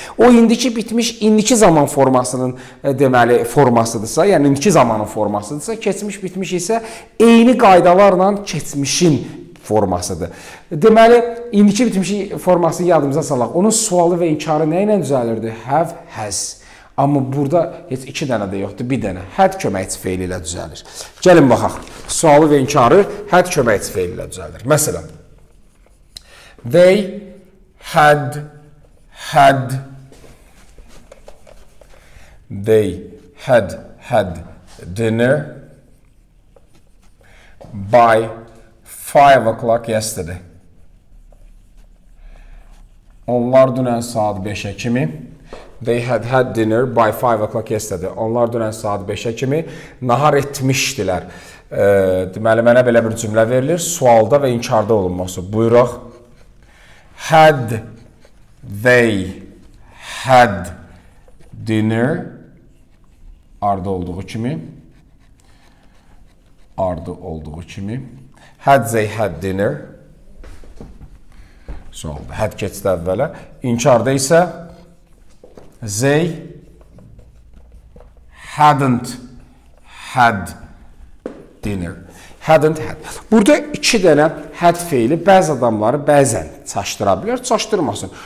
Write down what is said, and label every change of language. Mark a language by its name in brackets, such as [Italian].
[Azerbaijani] O indiki bitmiş indiki zaman formasının deməli formasıdırsa, yəni indiki zamanın formasıdırsa, keçmiş bitmiş isə eyni qaydalarla keçmişin formasıdır. Deməli, indiki bitmiş formasını yadımıza salaq. Onun sualı və inkarı nə ilə düzəlirdi? Have, has. Amma burada heç iki dənə də yoxdur, bir dənə. Had köməkçi feili ilə düzəlir. Gəlin baxaq. Sualı və inkarı had köməkçi feili ilə düzəlir. [English] Məsələn, they had, had, they had, had dinner by 5 o'clock yesterday. [Azerbaijani] Onlar dünən saat 5-ə kimi. [English] They had had dinner by 5 o'clock yesterday. [Azerbaijani] Onlar dünən saat 5-ə kimi nahar etmişdilər. Deməli, mənə belə bir cümlə verilir. Sualda və inkarda olunması. Buyuraq. [English] Had they had dinner ardı olduğu kimi. [Azerbaijani] Ardı olduğu kimi. [English] Had they had dinner? [Azerbaijani] Sualda. Had keçdi əvvələ. İnkarda isə [English] they hadn't had dinner. Hadn't had. [Azerbaijani] Burada iki dənə had feili bəzi adamları bəzən çaşdıra bilər, çaşdırmasın.